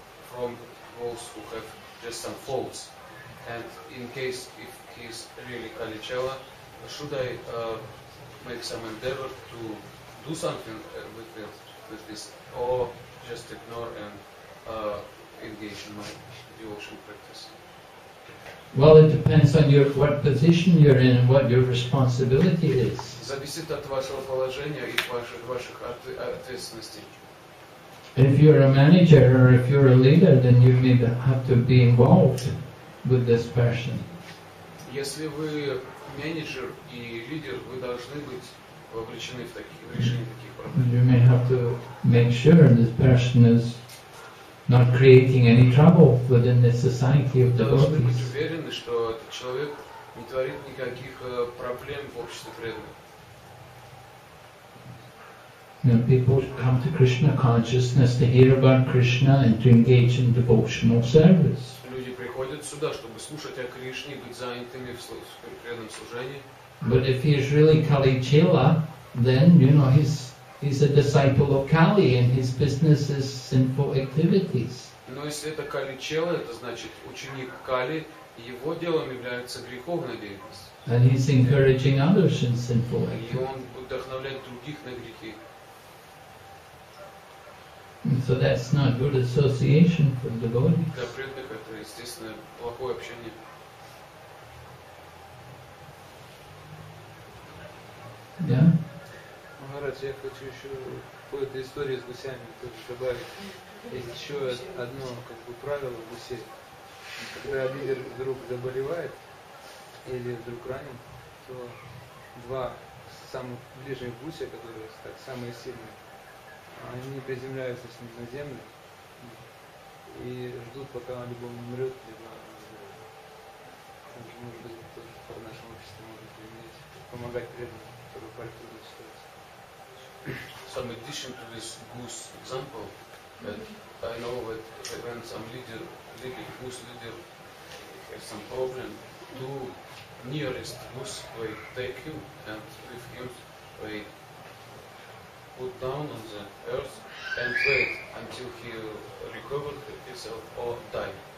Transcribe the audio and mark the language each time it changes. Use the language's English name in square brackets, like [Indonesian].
[English] from those who have just some faults, and in case if he is really Kali-Chela, should I make some endeavor to do something with this? Or just ignore and engage in my devotional practice. Well, it depends on your what position you're in and what your responsibility is. [Russian] Зависит от вашего положения и ваших ответственностей. [English] If you're a manager or if you're a leader, then you may have to be involved with this person. [Russian] Если вы менеджер и лидер, вы должны быть вовлечены в такие решения. [English] You may have to make sure this person is not creating any trouble within the society of devotees. [Russian] Должны быть уверены, что этот человек не творит никаких проблем в обществе преданных. [English] People come to Krishna consciousness to hear about Krishna and to engage in devotional service. [Russian] Люди приходят сюда, чтобы слушать о Кришне и быть занятыми в преданном служении. [English] But if he is really Kali-Chela, then you know he's a disciple of Kali, and his business is sinful activities. [Russian] Но если это Кали-Чела, это значит ученик Кали, его делом является греховная деятельность. [English] And he's encouraging others in sinful activities. [Russian] И он вдохновляет других на грехи. [English] So that's not good association for devotees. [Russian] Для преданных это, естественно, плохое общение. Да? Махарадж, я хочу еще какую-то историю с гусями тоже добавить. Есть еще одно как бы правило гусей. Когда лидер вдруг заболевает или вдруг ранен, то два самых ближних гуся, которые так, самые сильные, они приземляются с ним на землю, и ждут, пока она либо умрет, либо она, может быть, тоже под нашим обществом может применять, помогать преданным, которые упали в трудную ситуацию. [English] Some addition to this goose example, that I know that when some leader, goose leader has some problem, two nearest goose will take you and with him they put down on the earth and wait until he recovered himself or died.